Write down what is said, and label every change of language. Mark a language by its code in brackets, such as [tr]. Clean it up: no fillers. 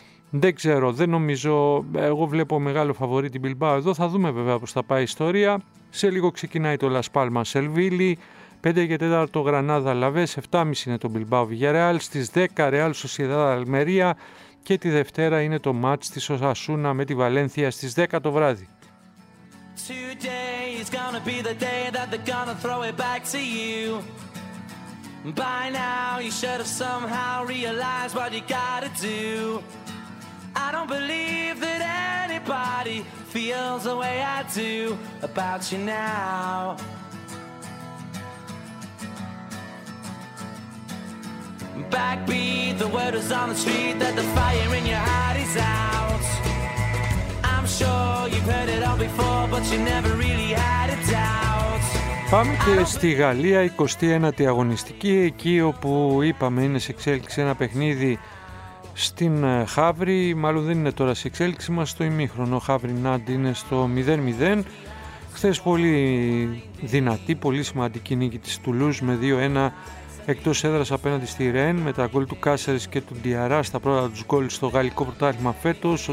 [el] Δεν ξέρω, δεν νομίζω, εγώ βλέπω μεγάλο φαβορί την Μπιλμπάο εδώ, θα δούμε βέβαια πώς θα πάει η ιστορία. Σε λίγο ξεκινάει το Las Palmas Sevilla, 5 και 4 Γρανάδα Λαβές, 7.30 είναι το Bilbao Villarreal, στις 10 Real Sociedad Almería και τη Δευτέρα είναι το μάτς της Osasuna με τη Βαλένθια στις 10 το βράδυ. [en] Today is gonna be the day that they're gonna throw it back to you. By now you should have somehow realized what you gotta do. I don't believe that anybody feels the way I do about you now. Backbeat, the word is on the street that the fire in your heart is out. I'm sure you've heard it all before, but you never really had a doubt. [el] Πάμε και στη Γαλλία, 29η αγωνιστική, εκεί όπου είπαμε είναι σε εξέλιξη ένα παιχνίδι στην Χαύρη, μάλλον δεν είναι τώρα σε εξέλιξη, μας στο ημίχρονο. Χαύρη Νάντι είναι στο 0-0. Χθες πολύ δυνατή, πολύ σημαντική νίκη της Τουλούζ με 2-1 εκτός έδρας απέναντι στη Ρεν, με τα γκολ του Κάσερες και του Ντιαρά στα πρώτα τους γκολ στο γαλλικό πρωτάθλημα φέτος.